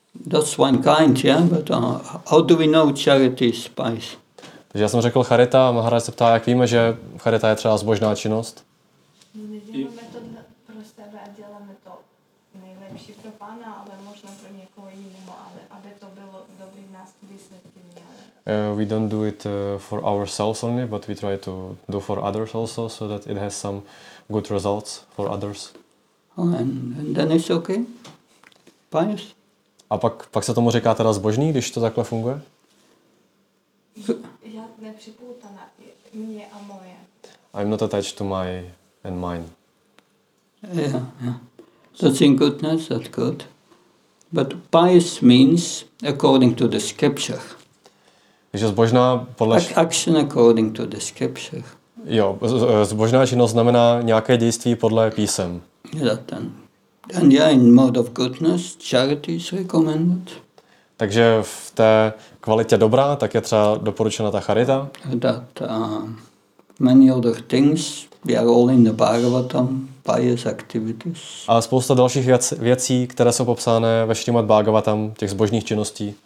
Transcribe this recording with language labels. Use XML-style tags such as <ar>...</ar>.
<en>That's one kind, yeah, but how do we know charity is pious?</en> <cs>Takže já jsem řekl charita, a Maharaj se ptá, jak víme, že charita je třeba zbožná činnost? My děláme to pro sebe a děláme to nejlepší pro pána, ale možná pro někoho jiného, ale aby to bylo dobrý nás výsledky.</cs> <en>We don't do it for ourselves only, but we try to do for others also, so that it has some good results for others. Oh, and then it's okay. Pious.</en> <cs>A pak se tomu říká teda zbožný, když to takhle funguje? Já nepřipoutaná, mě a moje.</cs> <en>I'm not attached to my and mine. Yeah, yeah. That's in goodness, that's good. But pious means, according to the scripture,</en> <cs>takže zbožná podle...</cs> <en>Action according to the scripture.</en> <cs>Jo, zbožná činnost znamená nějaké dějství podle písem.</cs> <en>And yeah, in mode of goodness, charity is recommended.</en> <cs>Takže v té kvalitě dobrá, tak je třeba doporučena ta charita.</cs> <en>That many other things We are all in the Bhagavatam, pious activities.</en> <cs>A spousta dalších věcí, které jsou popsány ve Šrimad Bhagavatam, těch zbožných činností.</cs>